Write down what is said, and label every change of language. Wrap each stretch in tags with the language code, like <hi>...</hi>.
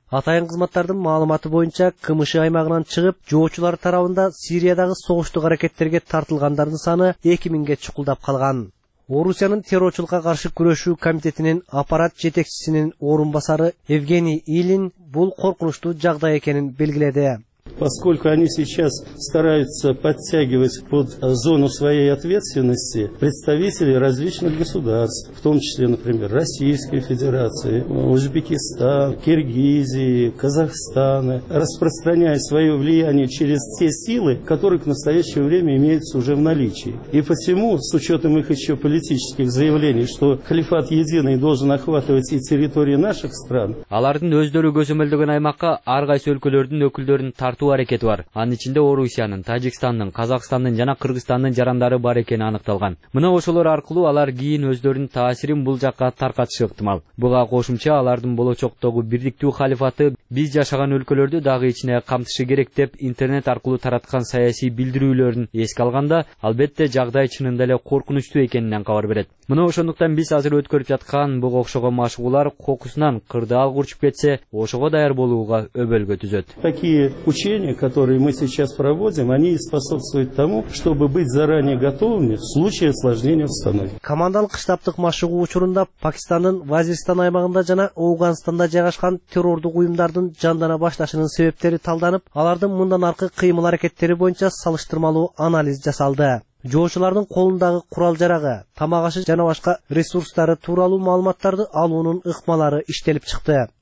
<ky>Атайын кызматтардын маалыматы боюнча КМШ аймагынан чыгып жоочулар тарабында Сириядагы согуштук аракеттерге тартылгандардын саны 2000ге чукулдап калган. Орусиянын террорчулукка каршы күрөшүү комитетинин аппарат жетекчисинин орун басары Евгений Илин бул коркунучтуу жагдай экенин белгиледи.</ky> <ru>Поскольку они сейчас стараются подтягивать под зону своей ответственности представителей различных государств, в том числе, например, Российской Федерации, Узбекистана, Киргизии, Казахстана, распространяя свое влияние через те силы, которые к настоящему времени имеются уже в наличии. И посему, с учетом их еще политических заявлений, что халифат единый должен охватывать и территории наших стран,</ru> <ky>алардын өздөрү көзөмөлдөгөн аймакка ар кайсы өлкөлөрдүн өкүлдөрүн тартуу аракети бар. Анын ичинде Орусиянын, Тажикстандын, Казакстандын жана Кыргызстандын жарандары бар экени аныкталган. Мына ошолор аркылуу алар кийин өздөрүнүн таасирин бул жакка таркатышы ыктымал. Буга кошумча алардын болочоктогу бирдиктүү халифаты биз жашаган өлкөлөрдү дагы ичине камтышы керек деп интернет аркылуу тараткан саясий билдирүүлөрүн эске алганда, албетте жагдай чынында эле коркунучтуу экенинен кабар берет. Мына ошондуктан биз азыр өткөрүп жаткан буга окшогон машыгуулар кокусунан кырдаал курчуп кетсе, ошого даяр болууга өбөлгө түзөт.</ky> <ru>Учения, которые мы сейчас проводим, они способствуют тому, чтобы быть заранее готовыми в случае осложнения обстановки.</ru> <ky>Командалык штабтык машыгуу учурунда Пакистандын Вазирстан аймагында жана Ауганстанда жайгашкан террордук уюмдардын жандана башташынын себептери талданып, алардын мындан аркы кыймыл аракеттери боюнча салыштырмалуу анализ жасалды. Жоочулардын колундагы курал жарагы, тамак ашы жана башка ресурстары тууралуу маалыматтарды алуунун ыкмалары иштелип чыкты.</ky>